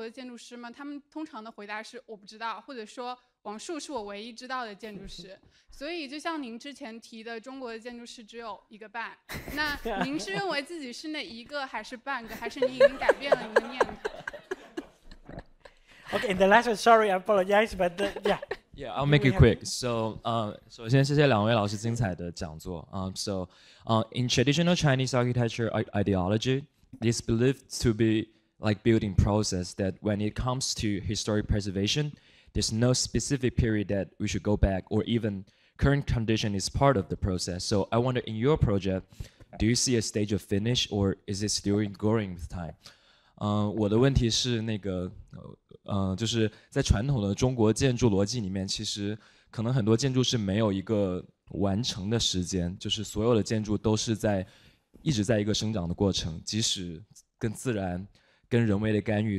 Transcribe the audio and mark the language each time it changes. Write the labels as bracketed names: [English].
[Chinese] 王老师您好，其实我是您的学生汪宁的学生，不知道您是不是还记得他？所以我来到哥伦比亚学习之后，问了很多我的周边的同学，他们不是来自中国，就是我问他们，你知道任何来自中国的建筑师吗？他们通常的回答是我不知道，或者说。王树是我唯一知道的建筑师，所以就像您之前提的中国的建筑师只有一个半，那您是认为自己是那一个还是半个，还是您已经改变了您的念头？ [English] OK, the last one, sorry, I apologize, but the, yeah. Yeah, I'll make it quick. So, [Chinese] 首先谢谢两位老师精彩的讲座. [English] In traditional Chinese architecture ideology, this belief to be like building process that when it comes to historic preservation, there's no specific period that we should go back, or even current condition is part of the process. So I wonder, in your project, do you see a stage of finish, or is it still growing with time? [Chinese] 我的问题是那个，就是在传统的中国建筑逻辑里面，其实可能很多建筑是没有一个完成的时间，就是所有的建筑都是在一直在一个生长的过程，即使跟自然、跟人为的干预。